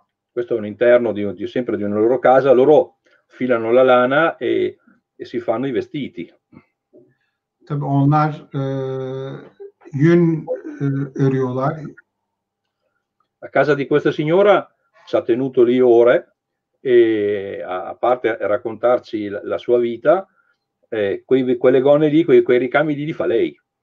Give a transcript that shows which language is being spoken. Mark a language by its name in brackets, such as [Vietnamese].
[Italian] Questo è un interno di sempre di una loro casa. Loro filano la lana e si fanno i vestiti. [Turkish] Tabii onlar yün örüyorlar. [Italian] A casa di questa signora ci ha tenuto lì ore e a parte raccontarci la sua vita, quelle gonne lì, quei ricami lì li fa lei.